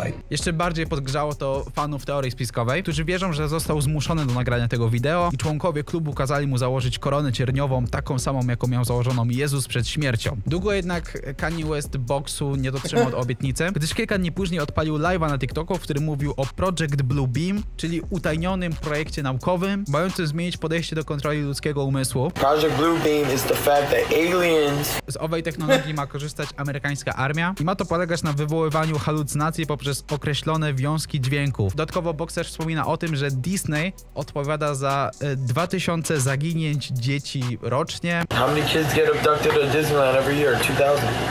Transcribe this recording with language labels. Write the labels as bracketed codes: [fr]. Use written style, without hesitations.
[pl] Jeszcze bardziej podgrzało to fanów teorii spiskowej, którzy wierzą, że został zmuszony do nagrania tego wideo i członkowie klubu kazali mu założyć koronę cierniową, taką samą, jaką miał założoną Jezus przed śmiercią. Długo jednak Kanye West boksu nie dotrzymał od obietnicy, gdyż kilka dni później odpalił live'a na TikToku, w którym mówił o Project Blue Beam, czyli utajnionym projekcie naukowym, mającym zmienić podejście do kontroli ludzkiego umysłu. [en] Project Blue Beam is the fact that aliens... [pl] Z owej technologii ma korzystać amerykańska armia i ma to polegać na wywoływaniu halucynacji poprzez określone wiązki dźwięków. Dodatkowo bokser wspomina o tym, że Disney odpowiada za 2000 zaginięć dzieci rocznie. [en] How many kids get abducted at Disneyland every year? 2000.